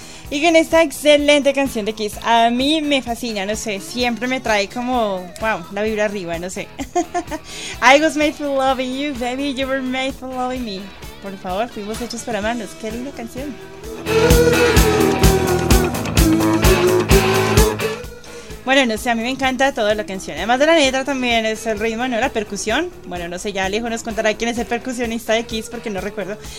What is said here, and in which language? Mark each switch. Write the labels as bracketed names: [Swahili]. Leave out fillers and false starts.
[Spanish] Y con esta excelente canción de Kiss, a mí me fascina, no sé, siempre me trae como, wow, la vibra arriba, no sé. [English] I was made for loving you, baby, you were made for loving me. [Spanish] Por favor, fuimos hechos para amarnos, qué linda canción. Bueno, no sé, a mí me encanta toda la canción, además de la letra también es el ritmo, ¿no? La percusión, bueno, no sé, ya Alejo nos contará quién es el percusionista de Kiss porque no recuerdo.